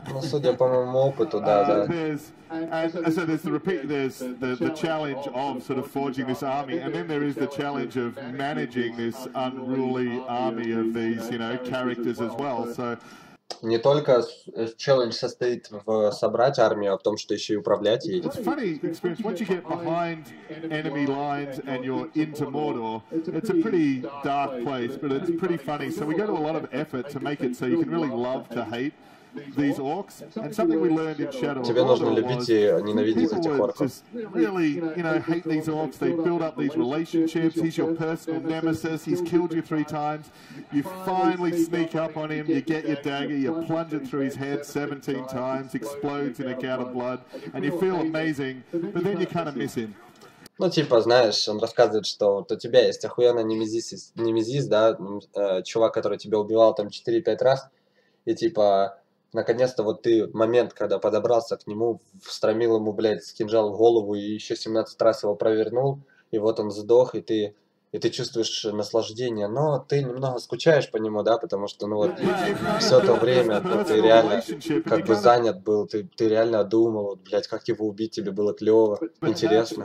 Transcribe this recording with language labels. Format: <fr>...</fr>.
<ru>Ну, судя по моему опыту, да.</ru> <en>And so there's the repeat. There's the challenge of sort of forging this army, and then there is the challenge of managing this unruly army of these, you know, characters as well. So.</en> <ru>Не только челлендж состоит в собрать армию, а в том, что еще и управлять ей.</ru> <en>It's a funny experience. Once you get behind enemy lines and you're into Mordor, it's a pretty dark place, but it's pretty funny. So we go to a lot of effort to make it so you can really love to hate. These orcs, and something we learned in Shadow of Mordor was people would just really, you know, hate these orcs. They build up these relationships. He's your personal nemesis. He's killed you 3 times. You finally sneak up on him. You get your dagger. You plunge it through his head 17 times. Explodes in a gout of blood, and you feel amazing. But then you kind of miss him.</en> <ru>Ну, типа, знаешь, он рассказывает, что вот у тебя есть охуенный немезис, да, чувак, который тебя убивал там 4-5 раз, и типа. Наконец-то вот ты момент, когда подобрался к нему, встромил ему, блядь, кинжал в голову и еще 17 раз его провернул, и вот он сдох, и ты чувствуешь наслаждение, но ты немного скучаешь по нему, да, потому что, ну вот, все то время, да, ты реально как бы занят был, ты реально думал, вот, блядь, как его убить, тебе было клево, интересно.</ru>